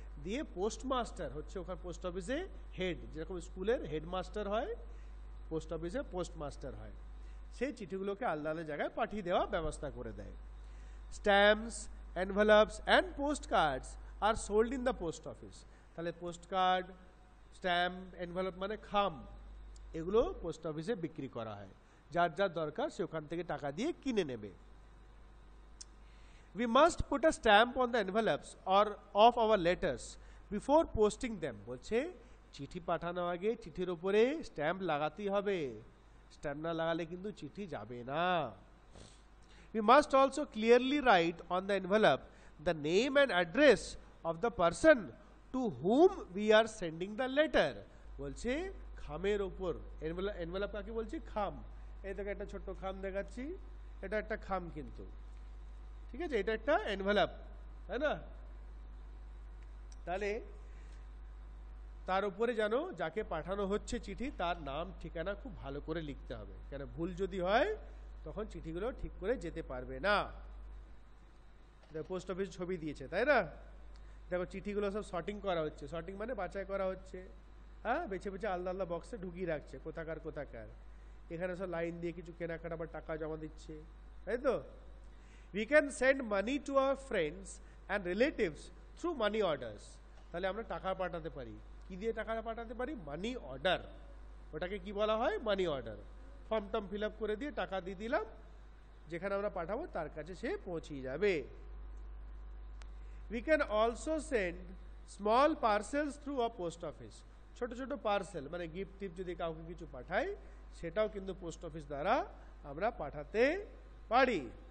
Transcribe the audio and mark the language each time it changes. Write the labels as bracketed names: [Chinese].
[Bangla] দিয়ে পোস্টমাস্টার হচ্ছে ওখানে পোস্ট অফিসে হেড, যেরকম স্কুলের হেডমাস্টার হয়, পোস্ট অফিসে পোস্টমাস্টার হয়, সেই চিঠিগুলোকে আলাদা আলাদা জায়গায় পাঠিয়ে দেওয়া ব্যবস্থা করে দেয়। [English] stamps, envelopes and post cards are sold in the post office, [Bangla] তাহলে পোস্ট কার্ড, স্ট্যাম্প, এনভেলপ মানে খাম, এগুলো পোস্ট অফিসে বিক্রি করা হয়, যার যার দরকার সে ওখান থেকে টাকা দিয়ে কিনে নেবে। [English] We must put a stamp on the envelopes or of our letters before posting them. [Bangla] বলছে চিঠি পাঠানোর আগে চিঠির উপরে স্ট্যাম্প লাগাতেই হবে, স্ট্যাম্প না লাগালে কিন্তু চিঠি যাবে না। [English] We must also clearly write on the envelope the name and address of the person to whom we are sending the letter. [Bangla] বলছে খামের উপর, envelope কাকে বলছে? খাম। এই দেখো একটা ছোট্ট খাম দেখাচ্ছি, এটা একটা খাম কিন্তু, ঠিক আছে, এটা একটা এনভেলপ, তাই না? তাহলে তার উপরে জানো যাকে পাঠানো হচ্ছে চিঠি, তার নাম ঠিকানা খুব ভালো করে লিখতে হবে, কারণ ভুল যদি হয় তখন চিঠিগুলো ঠিক করে যেতে পারবে না। দেখো পোস্ট অফিস ছবি দিয়েছে, তাই না? দেখো চিঠিগুলো সব সর্টিং করা হচ্ছে, সর্টিং মানে বাছাই করা হচ্ছে, হ্যাঁ, বেছে বেছে আলাদা আলাদা বক্সে ঢুকিয়ে রাখছে কোথাকার কোথাকার, এখানে সব লাইন দিয়ে কিছু কেনাকাটা বা টাকা জমা দিচ্ছে, তাই তো? [English] We can send money to our friends and relatives through money orders. [Bangla] তাহলে আমরা টাকা পাঠাতে পারি, কি দিয়ে টাকা পাঠাতে পারি? মানি অর্ডার, ওটাকে কি বলা হয়? Money order, form term fill up করে দিয়ে টাকা দিয়ে দিলাম, যেখানে আমরা পাঠাবো তার কাছে সে পৌঁছিয়ে যাবে। [English] we can also send small parcels through a post office, [Bangla] ছোট ছোট পার্সেল মানে গিফট টিফ যদি কাউকে কিছু পাঠাই সেটাও কিন্তু পোস্ট অফিস দ্বারা আমরা পাঠাতে পারি।